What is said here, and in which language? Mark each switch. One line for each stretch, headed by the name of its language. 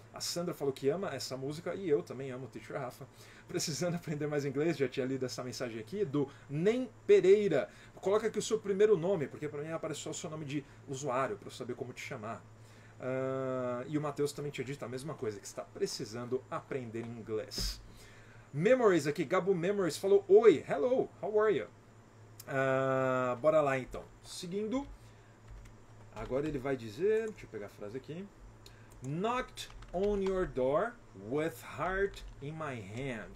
Portuguese: A Sandra falou que ama essa música e eu também amo o Teacher Rafa. Precisando aprender mais inglês, já tinha lido essa mensagem aqui, do Nem Pereira. Coloca aqui o seu primeiro nome, porque para mim aparece só o seu nome de usuário, para eu saber como te chamar. E o Matheus também tinha dito a mesma coisa, que está precisando aprender inglês. Memories aqui, Gabo Memories falou, oi,
English: hello, how are you?
Portuguese: Bora lá então. Seguindo, agora ele vai dizer, deixa eu pegar a frase aqui.
English: Knocked on your door with heart in my hand.